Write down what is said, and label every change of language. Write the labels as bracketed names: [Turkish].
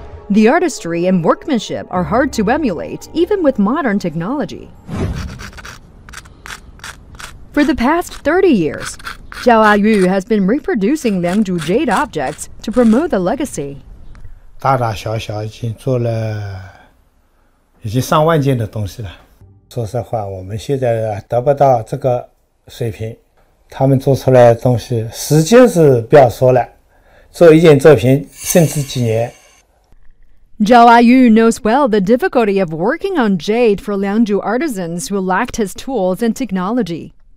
[English] The artistry and workmanship are hard to emulate, even with modern technology. For the past 30 years, Xiao Ayu has been reproducing Liangzhu jade objects to promote the legacy. [Chinese] 大大小小已经做了已经上万件的东西了。说实话，我们现在得不到这个水平，他们做出来的东西，时间是不要说了，做一件作品甚至几年。 [English] Zhao Ayu knows well the difficulty of working on jade for Liangzhu artisans who lacked his tools and technology.